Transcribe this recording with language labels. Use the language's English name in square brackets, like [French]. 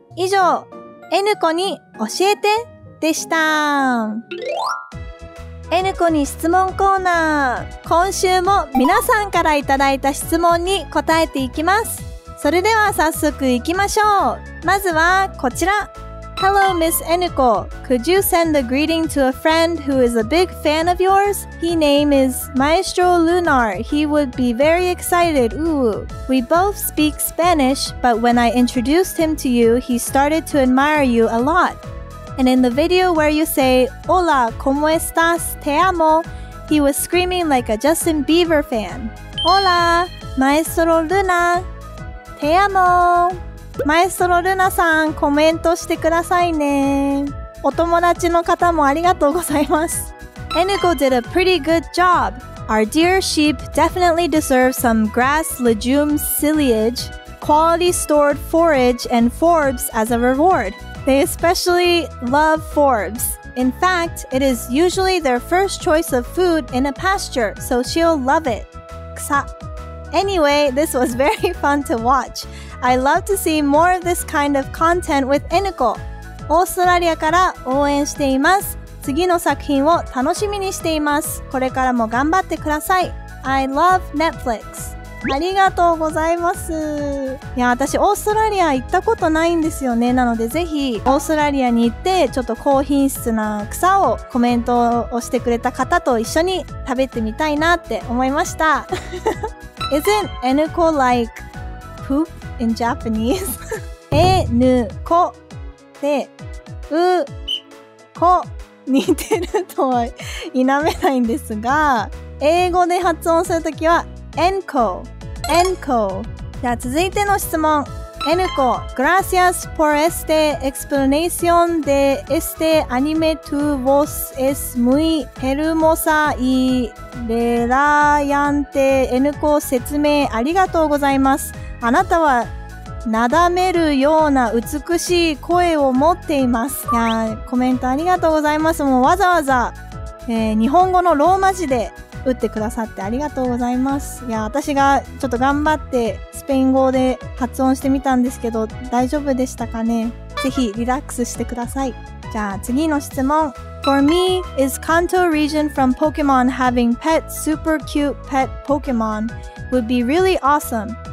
[Japanese] 以上、Nコに教えてでした。 Nコに質問コーナー、今週も皆さんからいただいた質問に答えていきます。それでは早速いきましょう。まずはこちら。 [English] Hello, Miss Eniko. Could you send a greeting to a friend who is a big fan of yours? His name is Maestro Lunar. He would be very excited. Ooh. We both speak Spanish, but when I introduced him to you, he started to admire you a lot. And in the video where you say, [Spanish] Hola, ¿cómo estás? Te amo. [English] He was screaming like a Justin Bieber fan. [Spanish] Hola, Maestro Luna. Te amo. [Japanese] マエストロルナさん、コメントしてくださいね。お友達の方もありがとうございます。 [English] Eniko did a pretty good job. Our dear sheep definitely deserves some grass, legume, silage, quality stored forage, and Forbes as a reward. They especially love Forbes. In fact, it is usually their first choice of food in a pasture, so she'll love it. Anyway, this was very fun to watch. I love to see more of this kind of content with Eniko. [Japanese] オーストラリアから応援しています。次の作品を楽しみにしています。これからも頑張ってください。 [English] I love Netflix. [Japanese] ありがとうございます。いや、私オーストラリア行ったことないんですよね。なのでぜひオーストラリアに行って、ちょっと高品質な草をコメントをしてくれた方と一緒に食べてみたいなって思いました。 [English] Isn't Eniko like poopin Japanese? [Japanese] えぬこでうこ似てるとは否めないんですが、英語で発音するときはエンコエンコ。じゃあ続いての質問。エヌコ、 [Spanish] Gracias por este explanación de este anime tu voz es muy hermosa y relajante. [Japanese] エヌコ、説明ありがとうございます。あなたはなだめるような美しい声を持っています。いや、コメントありがとうございます。もうわざわざ、日本語のローマ字で打ってくださってありがとうございます。いや、私がちょっと頑張ってスペイン語で発音してみたんですけど、大丈夫でしたかね。ぜひリラックスしてください。じゃあ次の質問。 [English] For me, is Kanto region from Pokemon having pet super cute pet Pokemon would be really awesome.